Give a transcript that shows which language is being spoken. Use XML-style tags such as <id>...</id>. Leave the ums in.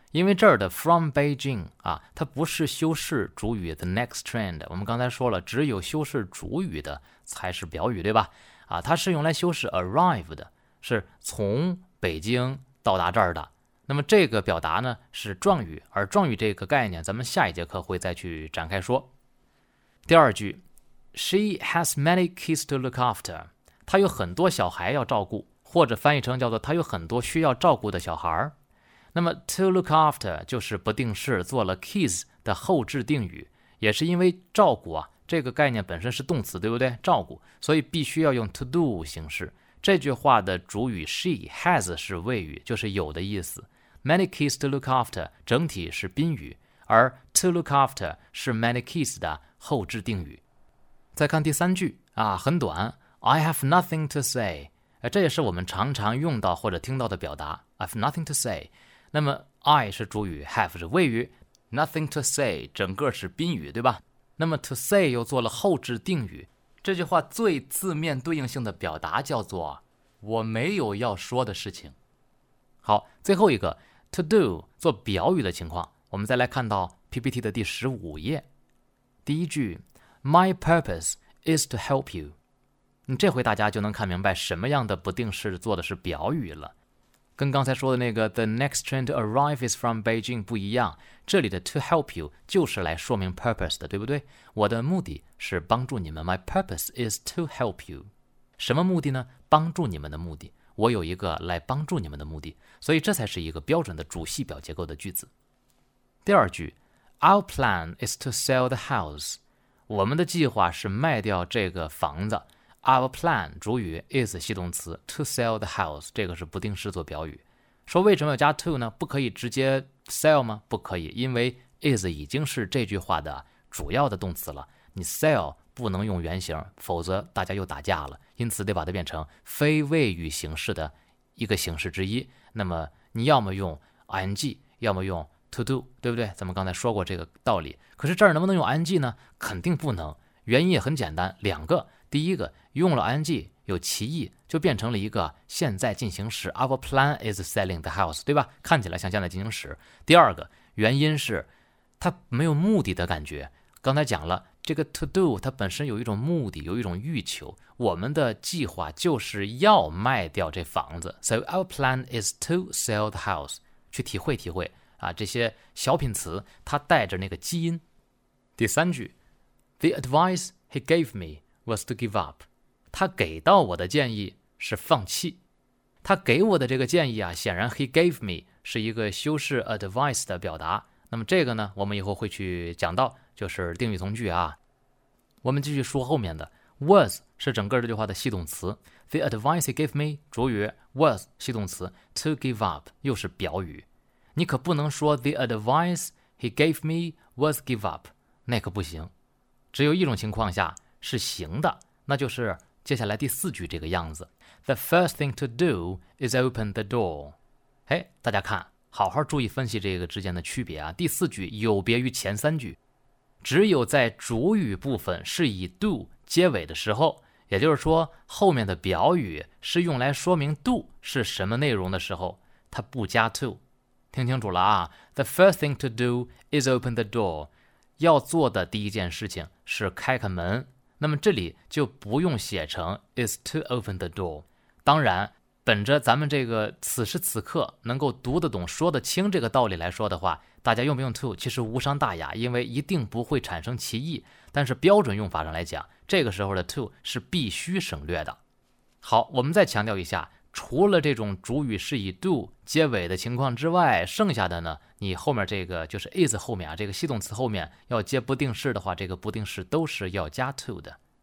<zh>因为这儿的 from Beijing 啊，它不是修饰主语 the next trend。我们刚才说了，只有修饰主语的才是表语，对吧？啊，它是用来修饰 arrived，是从北京到达这儿的。那么这个表达呢是状语，而状语这个概念，咱们下一节课会再去展开说。第二句，</zh> <en>She has many kids to look after。</en> <zh>她有很多小孩要照顾，或者翻译成叫做她有很多需要照顾的小孩儿。那么，to look after 就是不定式做了 k i s s 的后置定语，也是因为照顾啊这个概念本身是动词，对不对？照顾，所以必须要用 to do 形式。这句话的主语 she has 是谓语，就是有的意思。</zh> <en>Many k i s s to look after</en> <zh>整体是宾语，而 to look after 是</zh> <en>many k i s s</en> <zh>的后置定语。再看第三句啊，很短，</zh> <en>I have nothing to say。</en> <zh>这也是我们常常用到或者听到的表达，</zh> <en>I have nothing to say。</en> <zh>那么，I 是主语，have 是谓语，nothing to say 整个是宾语，对吧？那么 to say 又做了后置定语。这句话最字面对应性的表达叫做我没有要说的事情。好，最后一个 to do 做表语的情况，我们再来看到 PPT 的第十五页，第一句</zh> <en>My purpose is to help you。</en> <zh>你这回大家就能看明白什么样的不定式做的是表语了。跟刚才说的那个</zh> <en>"The next train to arrive is from Beijing"</en> <zh>不一样，这里的 "To help you" 就是来说明 purpose 的，对不对？我的目的是帮助你们。</zh> <en>My purpose is to help you。</en> <zh>什么目的呢？帮助你们的目的。我有一个来帮助你们的目的。所以这才是一个标准的主系表结构的句子。第二句，</zh> <en>Our plan is to sell the house。</en> <zh>我们的计划是卖掉这个房子。Our plan 主语 is 系动词</zh> <en>to sell the house，</en> <zh>这个是不定式做表语。说为什么要加 to 呢？不可以直接 sell 吗？不可以，因为 is 已经是这句话的主要的动词了。你 sell 不能用原形，否则大家又打架了。因此得把它变成非谓语形式的一个形式之一。那么你要么用 ing，要么用 to do，对不对？咱们刚才说过这个道理。可是这儿能不能用 ing 呢？肯定不能。原因也很简单，两个。第一个用了 ing 有歧义，就变成了一个现在进行时。</zh> <en>Our plan is selling the house，对吧？看起来像现在进行时。</en> <zh>第二个原因是它没有目的的感觉。刚才讲了这个 to do，它本身有一种目的，有一种欲求。我们的计划就是要卖掉这房子，</zh> <en>so our plan is to sell the house。</en> <zh>去体会体会啊，这些小品词它带着那个基因。第三句，</zh> <en>The advice he gave me。 was to give up，</en> <zh>他给到我的建议是放弃。他给我的这个建议啊，显然 he gave me 是一个修饰 advice 的表达。那么这个呢，我们以后会去讲到，就是定语从句啊。我们继续说后面的 was 是整个这句话的系动词。</zh> <en>The advice he gave me，主语 was，系动词 to give up，</en> <zh>又是表语。你可不能说</zh> <en>the advice he gave me was give up，</en> <zh>那可不行。只有一种情况下。是行的，那就是接下来第四句这个样子。</zh> <en>The first thing to do is open the door。</en> <zh>哎，大家看，好好注意分析这个之间的区别啊。第四句有别于前三句，只有在主语部分是以 do 结尾的时候，也就是说后面的表语是用来说明 do 是什么内容的时候，它不加 to。听清楚了啊。</zh> <en>The first thing to do is open the door。</en> <zh>要做的第一件事情是开开门。那么这里就不用写成</zh> <en>is to open the door。</en> <zh>当然，本着咱们这个此时此刻能够读得懂、说得清这个道理来说的话，大家用不用 to，其实无伤大雅，因为一定不会产生歧义。但是标准用法上来讲，这个时候的 to 是必须省略的。好，我们再强调一下。除了这种主语是以 do 结尾的情况之外，剩下的呢，你后面这个就是 is 后面啊，这个系动词后面要接不定式的话，这个不定式都是要加 to 的。</zh>